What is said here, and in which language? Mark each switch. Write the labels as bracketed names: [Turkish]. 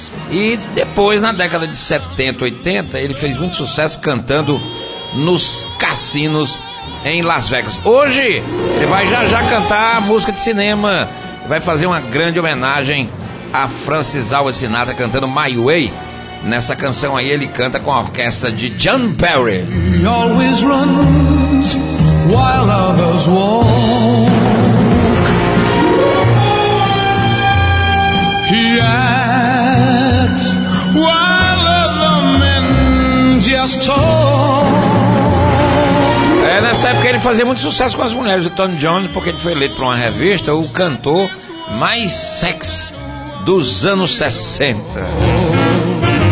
[Portuguese] E depois, na década de 70, 80, ele fez muito sucesso cantando nos cassinos em Las Vegas. Hoje, ele vai já cantar música de cinema, vai fazer uma grande homenagem a Francis Alves Sinatra cantando My Way. Nessa canção aí, ele canta com a orquestra de John Perry. [English] He always runs while others walk. He acts while other men just talk. [Portuguese] Nessa época ele fazia muito sucesso com as mulheres, o Tony Jones, porque ele foi eleito para uma revista o cantor mais sexy dos anos 60.